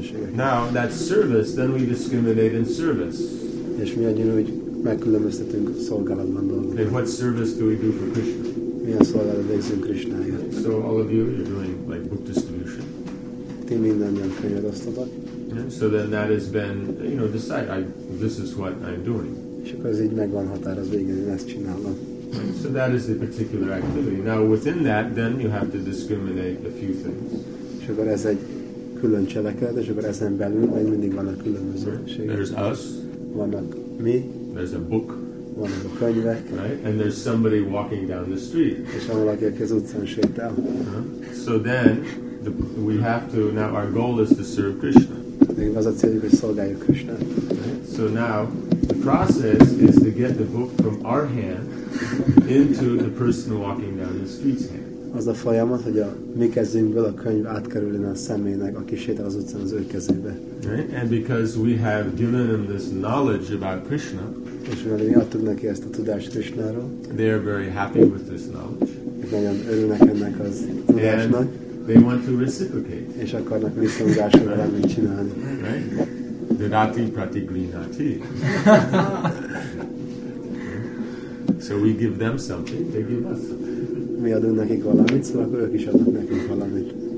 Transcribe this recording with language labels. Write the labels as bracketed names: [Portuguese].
[English] Now that service, then we discriminate in service. [Hungarian] És mi annyira, hogy megkülönböztetünk szolgálatban dolgokat. [English] And what service do we do for Krishna? [Hungarian] Milyen szolgálatot végzünk Krishnáért. [English] So all of you, you're doing like book distribution. [Hungarian] Ti mindannyian könyvet osztotok. [English] So then that has been, you know, decide. This is what I'm doing. [Hungarian] És akkor ez így megvan határozva, igen, én ezt csinálom. [English] So that is the particular activity. Now within that, then you have to discriminate a few things. [Hungarian] És akkor ez egy külön cselekedet, és akkor ezen belül még mindig van a különbözőség. [English] There's us. [Hungarian] Vannak mi. [English] There's a book. [Hungarian] Vannak a könyvek. [English] Right? And there's somebody walking down the street. [Hungarian] És van valaki, aki az utcán sétál. [English] So then, we have to, now our goal is to serve Krishna. [Hungarian] Még az a céljuk, hogy szolgáljuk Krishna. [English] Right? So now, the process is to get the book from our hand into the person walking down the street's hand. [Hungarian] Az a folyamat, hogy a mi kezünkből a könyv átkerüljön a személynek, aki sétál az utcán az ő kezébe. [English] Right? And because we have given them this knowledge about Krishna, [Hungarian] és mivel mi adtuk neki ezt a tudást Krishnáról, [English] they are very happy with this knowledge. [Hungarian] És nagyon örülnek ennek az tudásnak. [English] They want to reciprocate. [Hungarian] És akarnak visszahúzásra valamit csinálni. [English] Right? [Sanskrit] Dadati pratigrihati. [English] So we give them something, they give us. [Hungarian] Mi adunk nekik valamit, szóval akkor ők is adnak nekünk valamit.